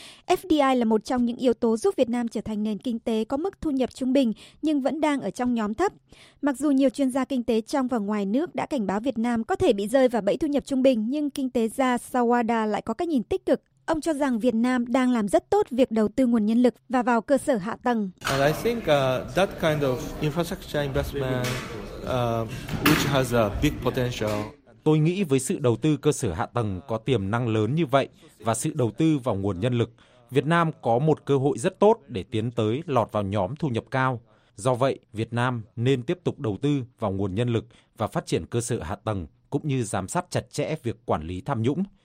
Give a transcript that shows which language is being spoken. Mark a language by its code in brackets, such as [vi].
[vi] FDI là một trong những yếu tố giúp Việt Nam trở thành nền kinh tế có mức thu nhập trung bình nhưng vẫn đang ở trong nhóm thấp. Mặc dù nhiều chuyên gia kinh tế trong và ngoài nước đã cảnh báo Việt Nam có thể bị rơi vào bẫy thu nhập trung bình, nhưng kinh tế gia sau Wada lại có cái nhìn tích cực Ông cho rằng Việt Nam đang làm rất tốt việc đầu tư nguồn nhân lực và vào cơ sở hạ tầng. [en] And I think that kind of infrastructure investment which has a big potential. [vi] Tôi nghĩ với sự đầu tư cơ sở hạ tầng có tiềm năng lớn như vậy và sự đầu tư vào nguồn nhân lực, Việt Nam có một cơ hội rất tốt để tiến tới lọt vào nhóm thu nhập cao. Do vậy, Việt Nam nên tiếp tục đầu tư vào nguồn nhân lực và phát triển cơ sở hạ tầng, cũng như giám sát chặt chẽ việc quản lý tham nhũng.